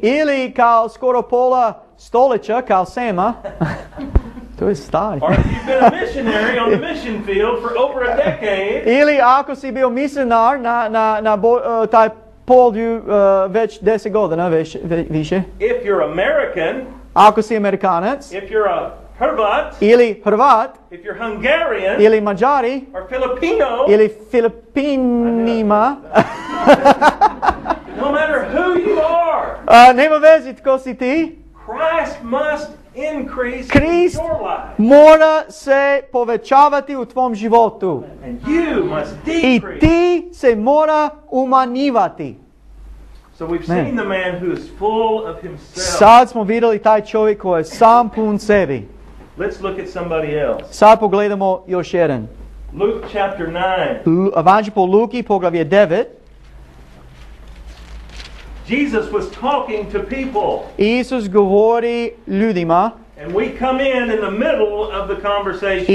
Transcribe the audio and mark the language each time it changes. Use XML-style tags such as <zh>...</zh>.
<hr>Ili kao skoro pola stoljeća kao Sema. To je stari.</hr> <en>Or if you've been a missionary on the mission field for over a decade.</en> <hr>Ili ako si bio misionar taj polju već 10 godina više.</hr> <en>If you're American.</en> <hr>Ako si Amerikanac.</hr> <en>If you're a Hrvat.</en> <hr>Ili Hrvat.</hr> <en>If you're Hungarian.</en> <hr>Ili Mađari.</hr> <en>Or Filipino.</en> <hr>Ili Filipinima.</hr> <en>No matter who you are.</en> <hr>Nema veze tko si ti.</hr> <en>Christ must increase Christ in your life.</en> <hr>Mora se povećavati u tvom životu.</hr> <en>And you must decrease.</en> <hr>I ti se mora umanjivati.</hr> <en>So we've seen the man who is full of himself.</en> <hr>Sad smo vidjeli taj čovjek koji je sam pun sebi.</hr> <en>Let's look at somebody else.</en> <hr>Sad pogledamo još jedan.</hr> <en>Luke chapter</en> <hr>9. Evanđelje po Luki poglavlje 9.</hr> <en>Jesus was talking to people.</en> <hr>Isus govori ljudima.</hr> <en>And we come in the middle of the conversation.</en>